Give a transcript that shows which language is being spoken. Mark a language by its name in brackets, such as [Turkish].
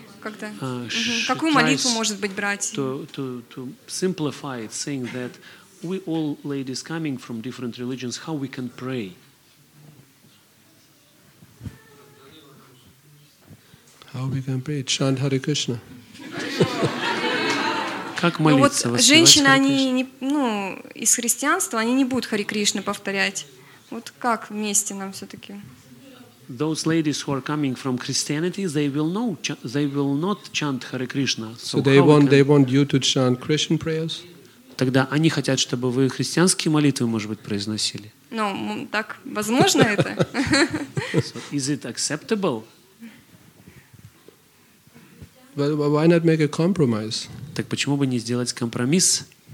[Russian] Когда, какую молитву может быть брать? [English] To simplify it, saying that we all ladies coming from different religions, how we can pray? How we can pray? Chant Hare Krishna. [Russian] Как молиться? Ну, вот женщины, они не, ну, из христианства, они не будут Хари Кришна повторять. Вот как вместе нам все-таки? [English] Those ladies who are coming from Christianity, they will not chant Hare Krishna. So they want you to chant Christian prayers? [Russian] Тогда они хотят, чтобы вы христианские молитвы, может быть, произносили. Ну, так возможно это? [English] Is it acceptable? Well, why not make a compromise? [Russian] Так почему бы не сделать компромисс?